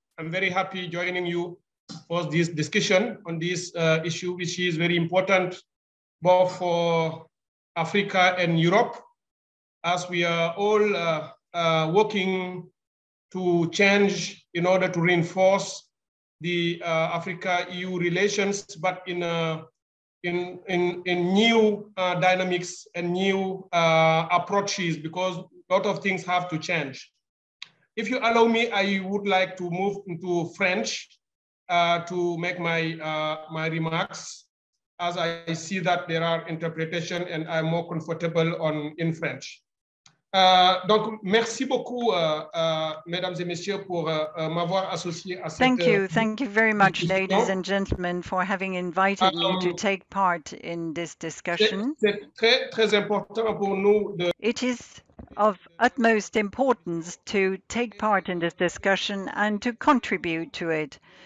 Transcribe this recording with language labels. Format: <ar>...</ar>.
<en>I'm very happy joining you for this discussion on this issue, which is very important both for Africa and Europe, as we are all working to change in order to reinforce the Africa-EU relations, but in new dynamics and new approaches, because a lot of things have to change. If you allow me, I would like to move into French to make my remarks, as I see that there are interpretation and I'm more comfortable in French.</en> <fr>Donc, merci beaucoup, mesdames et messieurs, pour m'avoir associé à cette...</fr> <en>Thank you very much, ladies and gentlemen, for having invited me to take part in this discussion.</en> <fr>C'est très, très important pour nous de...</fr> <en>It is of utmost importance to take part in this discussion and to contribute to it.</en>